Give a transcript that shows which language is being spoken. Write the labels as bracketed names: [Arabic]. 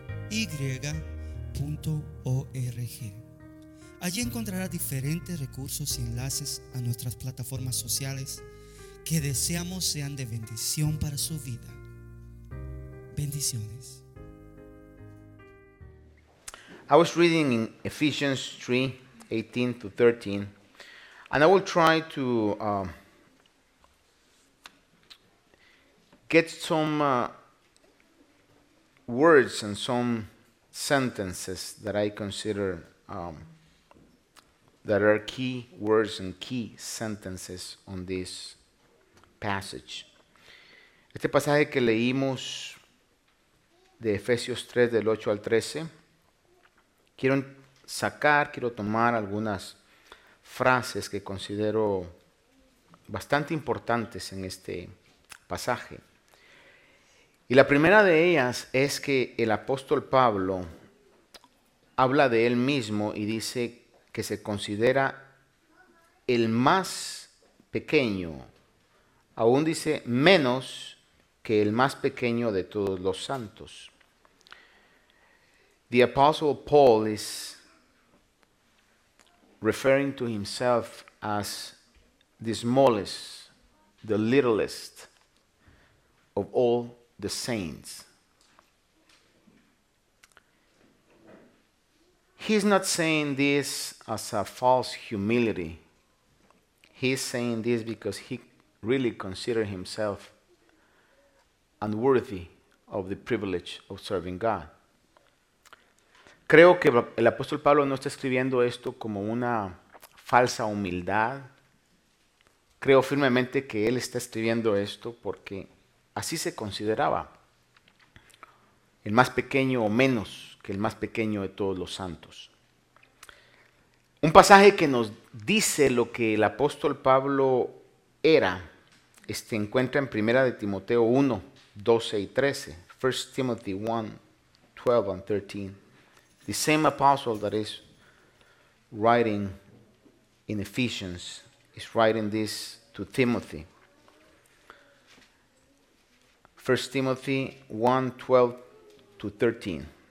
[Spanish] ayoni.org. Allí encontrará diferentes recursos y enlaces a nuestras plataformas sociales que deseamos sean de bendición para su vida. Bendiciones. [English] I was reading in Ephesians 3, 18 to 13, and I will try to get some words and some sentences that I consider that are key words and key sentences on this passage. [Spanish] Este pasaje que leímos de Efesios 3, del 8 al 13, quiero tomar algunas frases que considero bastante importantes en este pasaje. Y la primera de ellas es que el apóstol Pablo habla de él mismo y dice que se considera el más pequeño, aún dice menos que el más pequeño de todos los santos. [English] The apostle Paul is referring to himself as the smallest, the littlest of all the saints. He's not saying this as a false humility. He's saying this because he really considers himself unworthy of the privilege of serving God. [Spanish] Creo que el apóstol Pablo no está escribiendo esto como una falsa humildad. Creo firmemente que él está escribiendo esto porque así se consideraba el más pequeño o menos que el más pequeño de todos los santos. Un pasaje que nos dice lo que el apóstol Pablo era, se encuentra en 1 de Timoteo 1, 12 y 13. [English] 1 Timothy 1, 12 and 13. The same apostle that is writing in Ephesians is writing this to Timothy. 1 Timothy 1, 12 to 13.